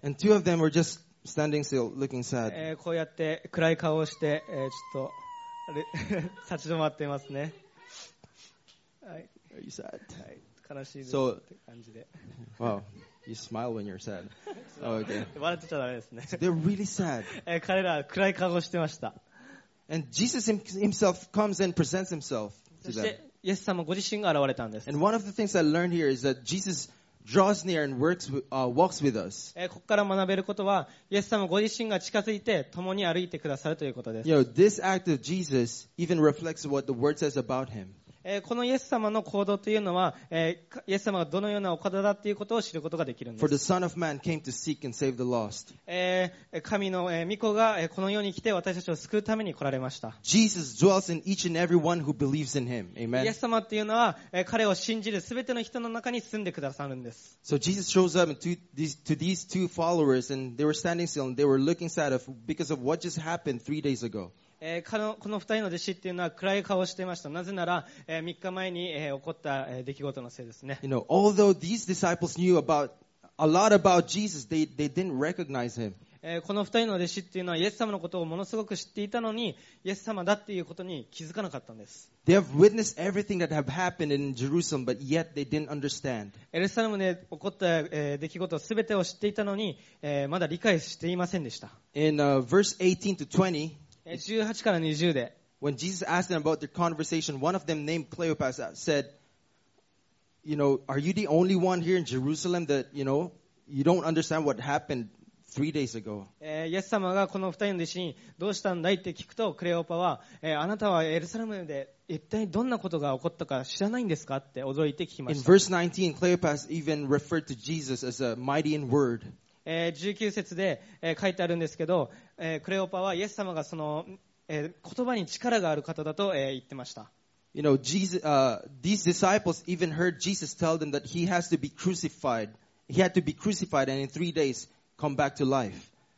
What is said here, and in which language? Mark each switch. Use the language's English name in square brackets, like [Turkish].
[English] And two of them were just standing still, looking sad. [Japanese] こうやって暗い顔をして、ちょっとあれ立ち止まっていますね。はい。 [English] Are you sad? [Japanese] はい。悲しいですって感じで。 [English] Wow. You smile when you're sad. Oh, okay. [Japanese] 笑ってちゃダメですね。 [English] So、they're really sad. [Japanese] 彼ら暗い顔をしてました。 [English] And Jesus himself comes and presents himself to them. [Japanese] そしてイエス様ご自身が現れたんです。 [English] And one of the things I learned here is that JesusDraws near and works, walks with us. [Japanese] ここから学べることは、イエス様ご自身が近づいて共に歩いてくださるということです。 [English] You know, this act of Jesus even reflects what the word says about him. [Japanese] このイエス様の行動というのは、イエス様がどのようなお方だということを知ることができるんです。 [English] For the Son of Man came to seek and save the lost. [Japanese] 神の御子がこの世に来て私たちを救うために来られました。 [English] Jesus dwells in each and everyone who believes in him. Amen. [Japanese] イエス様というのは、彼を信じるすべての人の中に住んでくださるんです。 [English] So Jesus shows up to these two followers and they were standing still and they were looking sad because of what just happened 3 days ago. [Japanese] この二人の弟子っていうのは暗い顔をしていました。なぜなら、3日前に起こった出来事のせいですね。 [English] You know, although these disciples knew a lot about Jesus, they didn't recognize him. [Japanese] この二人の弟子っていうのはイエス様のことをものすごく知っていたのに、イエス様だっていうことに気づかなかったんです。 [English] They have witnessed everything that have happened in Jerusalem, but yet they didn't understand. [Japanese] エルサレムで起こった出来事を全てを知っていたのに、まだ理解していませんでした。 [English] In verse 18 to 20, [Japanese] 18から20で、 [English] When Jesus asked them about their conversation, one of them named Cleopas said, "You know, are you the only one here in Jerusalem that you know you don't understand what happened 3 days ago?" [Japanese] イエス様がこの二人の弟子にどうしたんだいって聞くと、クレオパは、あなたはエルサレムで一体どんなことが起こったか知らないんですかって驚いて聞きました。 [English] In verse 19, Cleopas even referred to Jesus as a mighty in word. [Japanese] 19節で書いてあるんですけど、クレオパはイエス様がその言葉に力がある方だと言ってました。 [English] You know, these disciples even heard Jesus tell them that he has to be crucified. He had to be crucified and in 3 days come back to life.